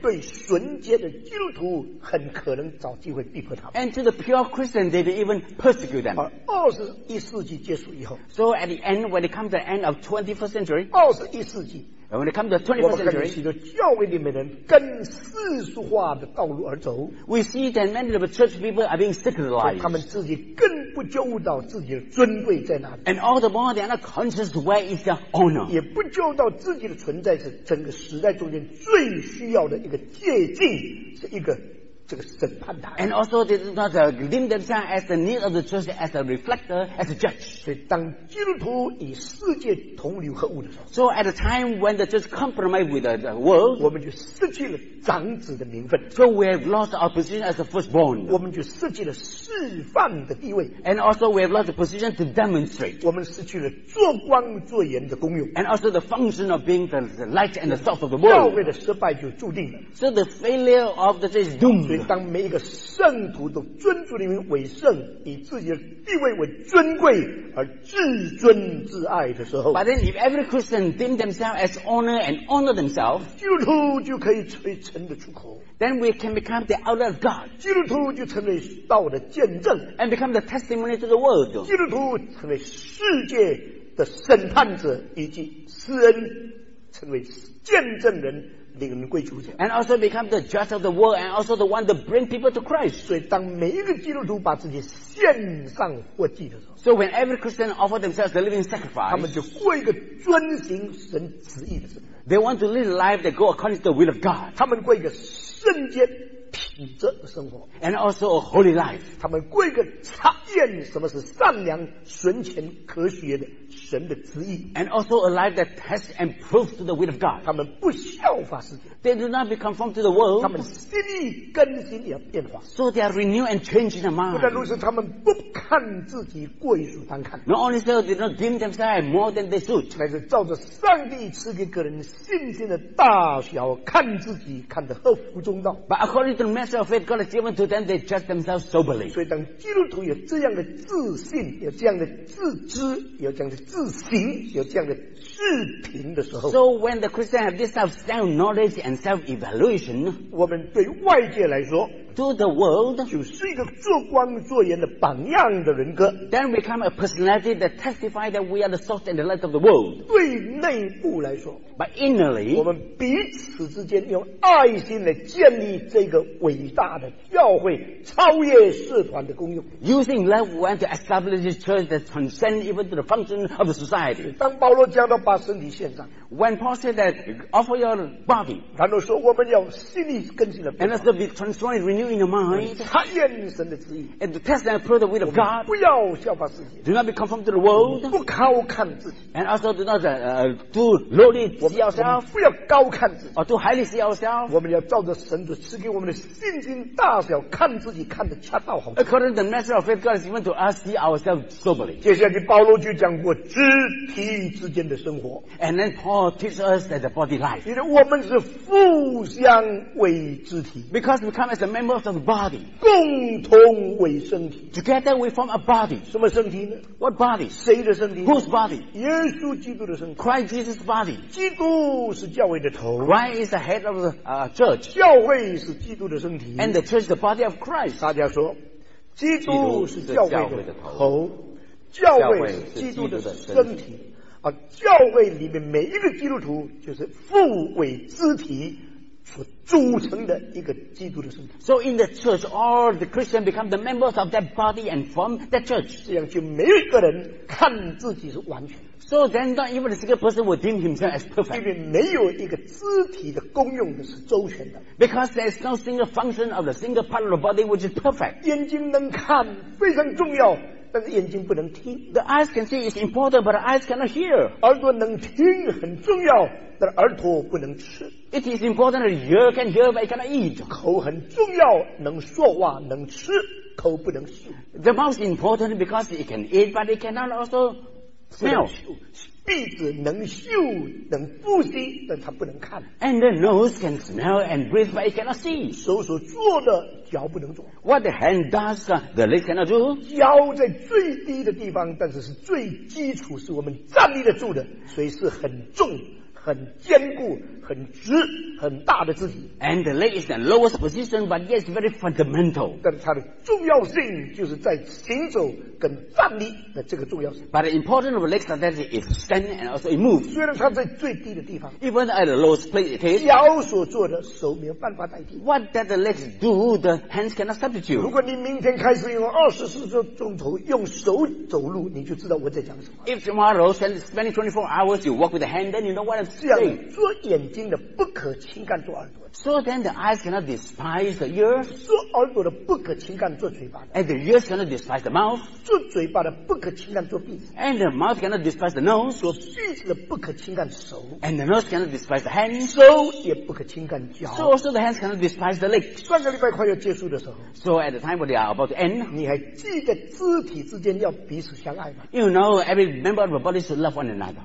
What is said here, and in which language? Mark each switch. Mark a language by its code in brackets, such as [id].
[zh] 对纯洁的基督徒很可能找机会逼迫他们。 [en] And to the pure Christian, they'd even persecute them. [zh] 而二十一世纪结束以后。 [en] So at the end, when it comes to the end of 21st century. [zh] 二十一世纪。 [en] And when it comes to the 21st century. [zh] 我们看到许多教会里面的人跟世俗化的道路而走。 [en] We see that many of the church people are being secularized. [zh] 他们自己更不揪到自己的尊贵在哪里。 [en] And all the more, they are not conscious where is their honor. [zh] 也不揪到自己的存在是整个时代中间最需要的一个借镜，是一个这个审判台。 [en] And also, they do not deem themselves as the need of the church as a reflector, as a judge. [zh] 所以，当基督徒与世界同流合污的时候 [en] ，So at a time when the church compromise with the world, [zh] 我们就失去了长子的名分。 [en] So we have lost our position as the firstborn. [zh] 我们就失去了示范的地位。 [en] And also, we have lost the position to demonstrate. [zh] 我们失去了做光做盐的功用。 [en] And also, the function of being the light and the salt of the world. [zh] 教会的失败就注定了。 [en] So the failure of the church is doomed. [zh] 所以当每一个圣徒都尊主的名为圣，以自己的地位为尊贵而自尊自爱的时候， [en] But then if every Christian deem themselves as honor and honor themselves, [zh] 基督徒就可以成为神的出口， [en] Then we can become the outlet of God. [zh] 基督徒就成为道的见证， [en] And become the testimony to the world. [zh] 基督徒成为世界的审判者，以及施恩成为见证人，领人归主。 [en] And also become the judge of the world and also the one to bring people to Christ. [zh] 所以当每一个基督徒把自己献上活祭的时候， [en] So when every Christian offers themselves the living sacrifice, [zh] 他们就过一个遵行神旨意的生活。 [en] They want to live a life that go according to the will of God. [zh] 他们过一个圣洁品质的生活。 [en] And also a holy life. [zh] 他们过一个查验什么是善良、纯全、可学的神的旨意。 [en] And also a life that tests and proves to the will of God. [zh] 他们不效法世界。 [en] They do not be conformed to the world. [zh] 他们心意更新也变化。 [en] So they are renewed and changed in their mind. [zh] 不但如此，他们不看自己过于属单看。 [en] Not only so, they do not deem themselves more than they should. [zh] 乃是照着上帝赐给个人信心的大小，看自己看得合乎中道。 [en] But according to the measure of faith God has given to them, they judge themselves soberly. [zh] 所以当基督徒有这样的自信，有这样的自知，有这样的自省，有这样的自评的时候， [en] so when the Christian have this self knowledge and self evaluation， [zh] 我们对外界来说， [en] to the world， [zh] 就是一个做光做盐的榜样的人格， [en] then become a personality that testify that we are the salt and the light of the world。 [zh] 对内部来说， [en] but innerly， [zh] 我们彼此之间用爱心来建立这个伟大的教会，超越社团的功用。 [en] Using love we want to establish this church that transcends even to the function of the society。 [zh] 当保罗讲到把身体献上， [en] When Paul said that offer your body， [zh] 然后说我们要心意更新的变化， [en] and also be transformed and renewed in your mind， [zh] 查验神的旨意， [en] and to test and approve the will of God， [zh] 不要效法世界， [en] do not be conformed to the world， [zh] 不高看自己， [en] and also do not do lowly see ourselves， [zh] 不要高看自己， [en] or to highly see ourselves。 [zh] 我们要照着神的赐给我们的信心大小，看自己看得恰到好处。 [en] According to the measure of faith God has given to us， see ourselves soberly。 [zh] 接下来保罗就讲过肢体之间的生活， [en] and then Paul teaches us that the body life， [zh] 因为我们是互相为肢体， [en] because we come as a member of the body， [zh] 共同为身体， [en] together we form a body。 [zh] 什么身体呢？ [en] What body？ [zh] 谁的身体？ [en] Whose body？ [zh] 耶稣基督的身体， [en] Christ Jesus body。 [zh] 基督是教会的头， [en] Christ is the head of the church。 [zh] 教会是基督的身体， [en] and the church is the body of Christ。 [zh] 大家说基督是教会的头，教会是基督的身体，而教会里面每一个基督徒就是父为肢体所组成的一个基督的身体。 [en] So in the church, all the Christians become the members of that body and form that church. [zh] 这样就没有一个人看自己是完全。 [en] So then not even a single person will deem himself as perfect. [zh] 因为没有一个肢体的功用是周全的。 [en] Because there is no single function of the single part of the body which is perfect. [zh] 眼睛能看非常重要，但是眼睛不能听。 [en] The eyes can see is important, but the eyes cannot hear. [zh] 耳朵能听很重要，但耳朵不能吃。 [en] It is important that the ear can hear, but it cannot eat. [zh] 口很重要，能说话，能吃，口不能嗅。 [en] The mouth is important because it can eat, but it cannot also smell. [zh] 鼻子能嗅，能呼吸，但它不能看。 [en] And the nose can smell and breathe, but it cannot see. [zh] 手所做的脚不能做。 [en] What the hand does, the leg cannot do. [zh] 脚在最低的地方，但是是最基础，是我们站立得住的，所以是很重、很坚固、很直、很大的肢体。 [en] And the leg is the lowest position, but yet it's very fundamental. [zh] 但它的重要性就是在行走跟站立的这个重要性。 [en] But the importance of legs is that it stands and also it moves. [zh] 虽然它在最低的地方， [en] even at the lowest place it is, [zh] 脚所做的手没有办法代替。 [en] What does the legs do, the hands cannot substitute. [zh] 如果你明天开始用24小时用手走路，你就知道我在讲什么。 [en] If tomorrow spending 24 hours you walk with a hand, then you know what I'm saying. [zh] 做眼睛的不可轻看做耳朵。 [en] So then the eyes cannot despise the ears. [zh] 做耳朵的不可轻看做嘴巴的。 [en] And the ears cannot despise the mouth. [zh] 做嘴巴的不可轻看做鼻子。 [en] And the mouth cannot despise the nose. [zh] 做鼻子的不可轻看手。 [en] And the nose cannot despise the hand. [zh] 手也不可轻看脚。 [en] So also the hands cannot despise the leg. [zh] 上个礼拜快要结束的时候， [en] So at the time when they are about to end, [zh] 你还记得肢体之间要彼此相爱吗？ [en] You know every member of the body should love one another.